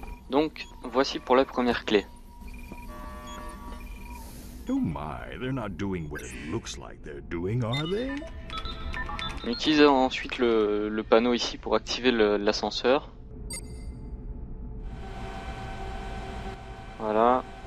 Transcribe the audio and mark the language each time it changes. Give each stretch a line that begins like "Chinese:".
French: Donc, voici pour la première clé.
English: Oh my, they're not doing what it looks like they're doing, are they?
French: On utilise ensuite le panneau ici pour activer l'ascenseur. Voilà.